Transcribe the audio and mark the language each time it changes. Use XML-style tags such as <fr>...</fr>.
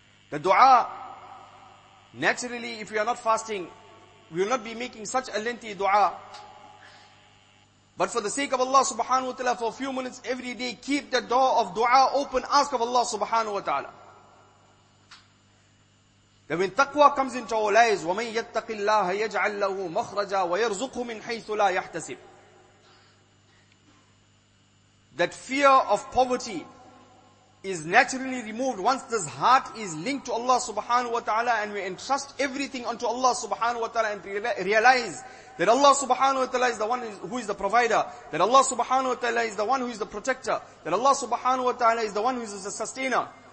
<en>The dua, naturally, if we are not fasting, we will not be making such a lengthy dua. But for the sake of Allah subhanahu wa ta'ala, for a few minutes every day, keep the door of dua open, ask of Allah subhanahu wa ta'ala. That when taqwa comes into our lives,</en> <ar>وَمَنْ يَتَّقِ اللَّهَ يَجْعَلْ لَهُ مَخْرَجًا وَيَرْزُقْهُ مِنْ حَيْثُ لَا يَحْتَسِبْ.</ar> <en>That fear of poverty is naturally removed once this heart is linked to Allah subhanahu wa ta'ala, and we entrust everything unto Allah subhanahu wa ta'ala and realize that Allah subhanahu wa ta'ala is the one who is the provider. That Allah subhanahu wa ta'ala is the one who is the protector. That Allah subhanahu wa ta'ala is the one who is the sustainer.</en>